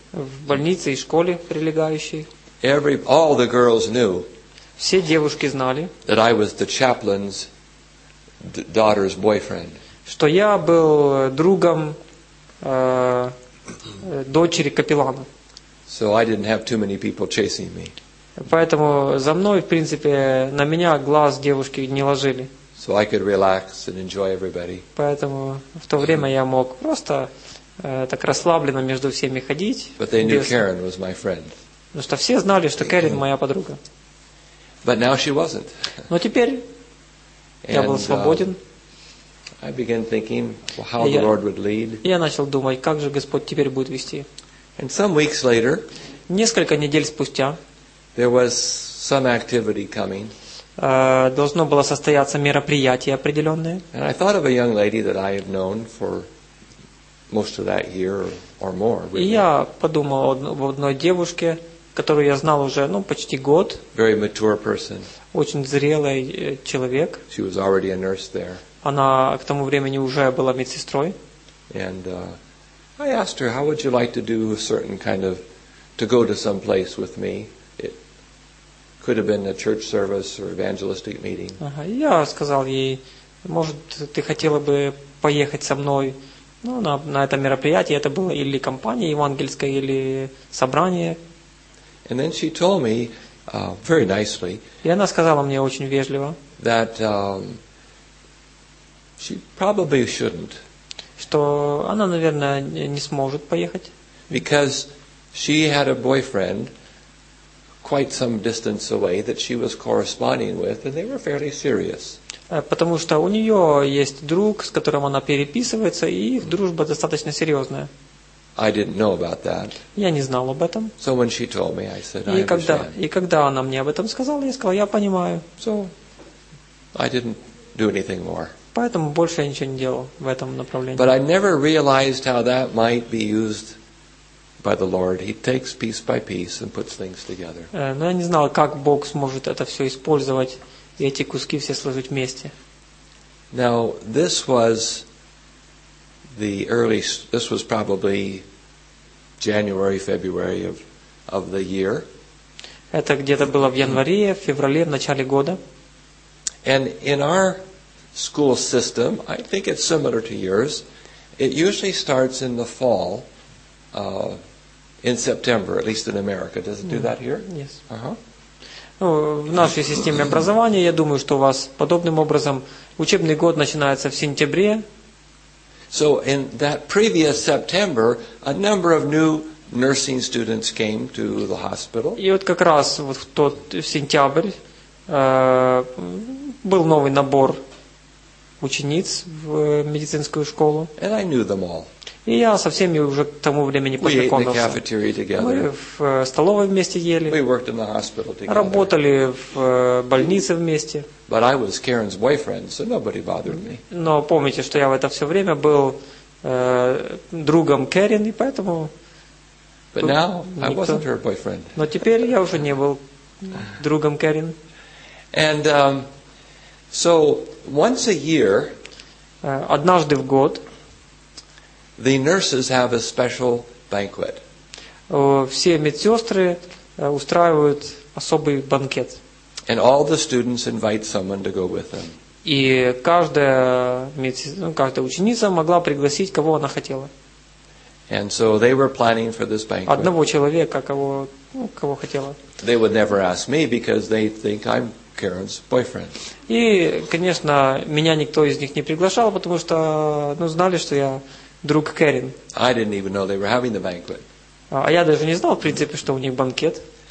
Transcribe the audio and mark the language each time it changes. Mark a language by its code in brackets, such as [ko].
[ru] В больнице и школе прилегающей. [en] All the girls knew. [ru] Все девушки знали. [en] That I was the chaplain's daughter's boyfriend. [ru] Что я был другом дочери капеллана. [en] So I didn't have too many people chasing me. [ru] Поэтому за мной, в принципе, на меня глаз девушки не ложили. [en] So I could relax and enjoy everybody. [ru] Поэтому в то время я мог просто так расслабленно между всеми ходить. [en] But they knew Karen was my friend. [ru] Потому что все знали, что Кэрин моя подруга. [en] But now she wasn't. [ru] Но теперь я был свободен. [en] I began thinking how the Lord would lead. [ru] Я начал думать, как же Господь теперь будет вести. [en] And some weeks later, [ru] несколько недель спустя, [en] there was some activity coming. [ru] Должно было состояться мероприятие определенное. [en] And I thought of a young lady that I have known for most of that year or more. [ru] И я подумал об одной девушке, которую я знал уже, ну, почти год. [en] Very mature person. [ru] Очень зрелый человек. [en] She was already a nurse there. [ru] Она к тому времени уже была медсестрой. [en] And I asked her, how would you like to do a certain kind of, to go to some place with me? It could have been a church service or evangelistic meeting. [ru] Я сказал ей, может, ты хотела бы поехать со мной, ну, на это мероприятие. Это было или кампания евангельская, или собрание. [en] And then she told me, very nicely, [ru] и она сказала мне очень вежливо, [en] that she probably shouldn't. [ru] Что она, наверное, не сможет поехать. [en] Because she had a boyfriend quite some distance away that she was corresponding with, and they were fairly serious. [ru] Потому что у нее есть друг, с которым она переписывается, и их дружба достаточно серьезная. [en] I didn't know about that. [ru] Я не знал об этом. [en] So when she told me, I said, I understand. [ru] И когда она мне об этом сказала, я сказал, я понимаю. [en] So I didn't do anything more. [ru] Поэтому больше я ничего не делал в этом направлении. [en] But I never realized how that might be used by the Lord. He takes piece by piece and puts things together. [ru] Но я не знал, как Бог сможет это все использовать и эти куски все сложить вместе. [en] Now this was the early. This was probably January, February of the year. [ru] Это где-то было в январе, в феврале, в начале года. [en] And in our school system, I think it's similar to yours. It usually starts in the fall, in September, at least in America. Does it do that here? Yes. [ru] Ну, в нашей системе образования, я думаю, что у вас подобным образом учебный год начинается в сентябре. [en] So in that previous September, a number of new nursing students came to the hospital. [ru] И вот как раз вот в тот сентябрь был новый набор учениц в медицинскую школу. [en] And I knew them all. [ru] И я со всеми уже к тому времени познакомился. [en] We ate in the cafeteria together. [ru] Мы в столовой вместе ели. [en] We worked in the hospital together. [ru] Работали в больнице вместе. [en] But I was Karen's boyfriend, so nobody bothered me. [ru] Но помните, что я в это все время был другом Кэрин, и поэтому. [en] But now I wasn't her boyfriend. [ru] Но теперь я уже не был другом Кэрин. [en] And so once a year, [ru] однажды в год, [en] the nurses have a special banquet. [ru] Все медсестры устраивают особый банкет. [en] And all the students invite someone to go with them. [ru] И каждая ученица могла пригласить кого она хотела. [en] And so they were planning for this banquet. [ru] Одного человека, кого хотела. [en] They would never ask me because they think I'm Karen's boyfriend. [ru] И, конечно, меня никто из них не приглашал, потому что, ну, знали, что я друг Кэрин. [en] I didn't even know they were having the banquet. [ru] А я даже не знал, в принципе, что у них банкет.